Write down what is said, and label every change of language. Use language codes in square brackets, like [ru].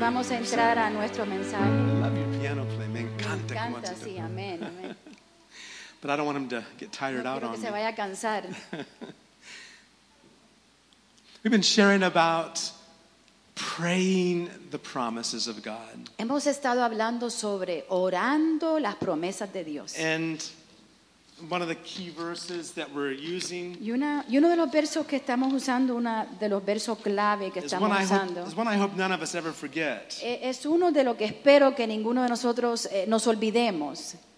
[es] Vamos a entrar a nuestro mensaje. [en] I love your piano play. [es] Me encanta. Me encanta, sí, amén. [en] But I don't want him to get tired out on me. [es] No quiero que se vaya a cansar. [en] We've been sharing about praying the promises of God. [es] Hemos estado hablando sobre orando las promesas de Dios. [en] And one of the key verses that we're using [es] y uno de los versos que estamos usando, una de los versos clave que estamos usando, [en] is one I hope none of us ever forget. [es] Es uno de lo que espero que ninguno de nosotros nos olvidemos.